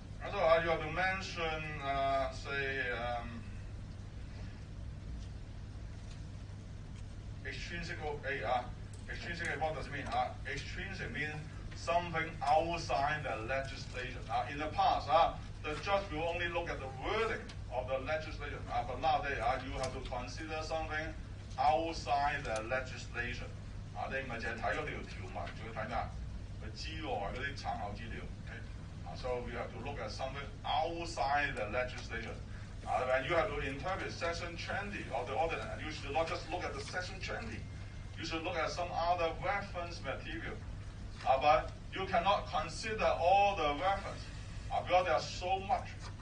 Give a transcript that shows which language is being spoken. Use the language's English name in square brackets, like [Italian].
[English] So you have to mention, extrinsic A. Extrinsic A, what does it mean? Extrinsic means something outside the legislation. In the past, the judge will only look at the wording of the legislation. But nowadays, you have to consider something outside the legislation. [Chinese] 你不只看那条条文,只要看什么?之外的参考资料。 [English] So we have to look at something outside the legislation. When you have to interpret section 20 of the ordinance, you should not just look at the section 20. You should look at some other reference material. But you cannot consider all the reference because there are so much.